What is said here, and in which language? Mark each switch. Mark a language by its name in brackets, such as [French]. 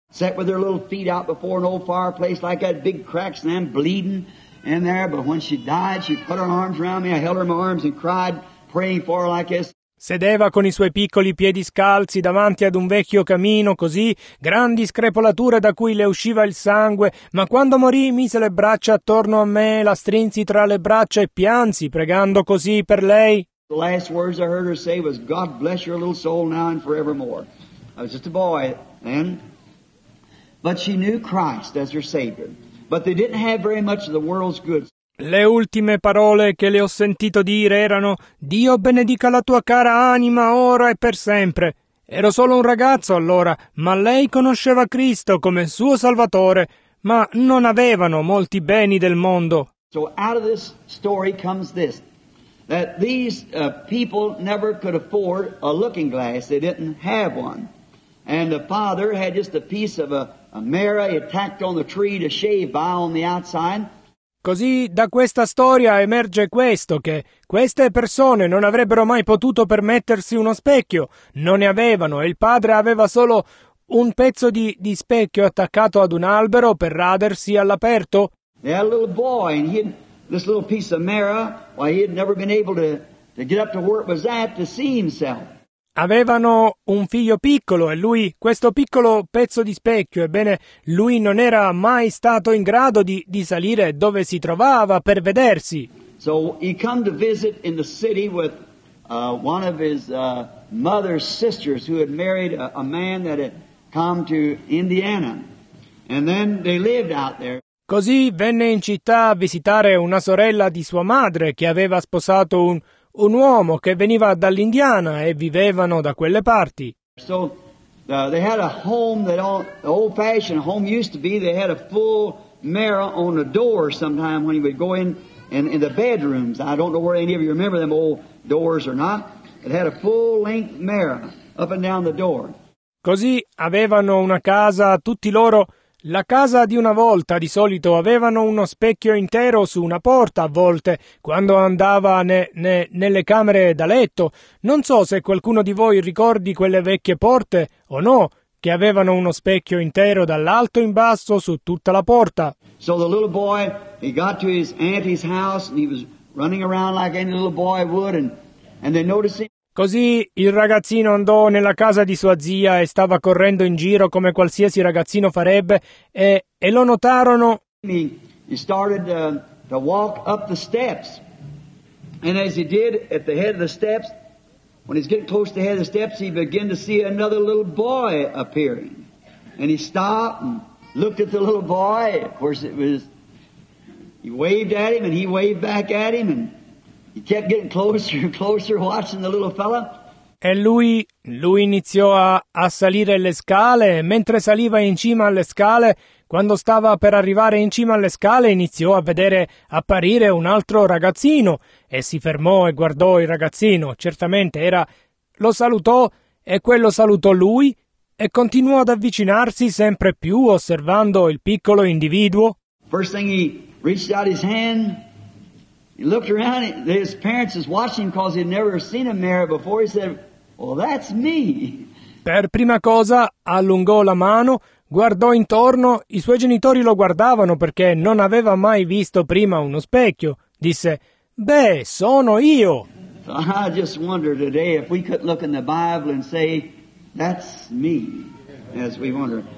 [English] Set with her little feet out before an old fireplace like that, big cracks and them bleeding in there, but when she died she put her arms around me, I held her in my arms and cried praying for her like this. [Italian] Sedeva con i suoi piccoli piedi scalzi davanti ad un vecchio camino, così, grandi screpolature da cui le usciva il sangue, ma quando morì mise le braccia attorno a me, la strinsi tra le braccia e piansi, pregando così per lei. [English] The last words I heard her say was, God bless your little soul now and forevermore. I was just a boy then, but she knew Christ as her Savior, but they didn't have very much of the world's goods. [Italian] Le ultime parole che le ho sentito dire erano: Dio benedica la tua cara anima ora e per sempre. Ero solo un ragazzo allora, ma lei conosceva Cristo come suo Salvatore, ma non avevano molti beni del mondo. [English] So out of this story comes this, that these people never could afford a looking glass. They didn't have one. And the father had just a piece of a mirror he tacked on the tree to shave by on the outside. [Italian] Così da questa storia emerge questo, che queste persone non avrebbero mai potuto permettersi uno specchio, non ne avevano, e il padre aveva solo un pezzo di specchio attaccato ad un albero per radersi all'aperto. [English] They had a little boy, and he had this little piece of mirror, while he had never been able to get up to where it was at to see himself. [Italian] Avevano un figlio piccolo e lui, questo piccolo pezzo di specchio, ebbene, lui non era mai stato in grado di salire dove si trovava per vedersi. [English] So he come to visit in the city with one of his mother's sisters who had married a man that had come to Indiana. And then they lived out there. [Italian] Così venne in città a visitare una sorella di sua madre che aveva sposato un uomo che veniva dall'Indiana e vivevano da quelle parti. [English] So they had a home that the old fashioned home used to be, they had a full mirror on the door sometime when he would go in in the bedrooms. I don't know where any of you remember them old doors or not. It had a full-length mirror up and down the door. [Italian] Così avevano una casa tutti loro. La casa di una volta di solito avevano uno specchio intero su una porta a volte, quando andava nelle camere da letto. Non so se qualcuno di voi ricordi quelle vecchie porte o no, che avevano uno specchio intero dall'alto in basso su tutta la porta. [English] So the little boy, he got to his auntie's house and he was running around like any little boy would and they noticed him. [Italian] Così il ragazzino andò nella casa di sua zia e stava correndo in giro come qualsiasi ragazzino farebbe e lo notarono. [English] He started to walk up the steps. And as he did at the head of the steps, when he's getting close to the head of the steps, he began to see another little boy appearing. And he stopped and looked at the little boy. Of course it was, he waved at him and he waved back at him and he kept getting closer and closer, watching the little fella. [Italian] E lui iniziò a salire le scale, e mentre saliva in cima alle scale, quando stava per arrivare in cima alle scale, iniziò a vedere apparire un altro ragazzino, e si fermò e guardò il ragazzino. Certamente era, lo salutò, e quello salutò lui, e continuò ad avvicinarsi sempre più, osservando il piccolo individuo. [English] First thing he reached out his hand. He looked around, his parents was watching because he'd never seen a mirror before. He said, well, that's me. [Italian] Per prima cosa, allungò la mano, guardò intorno, i suoi genitori lo guardavano perché non aveva mai visto prima uno specchio. Disse, beh, sono io. [English] So I just wonder today if we could look in the Bible and say, that's me, as we wonder.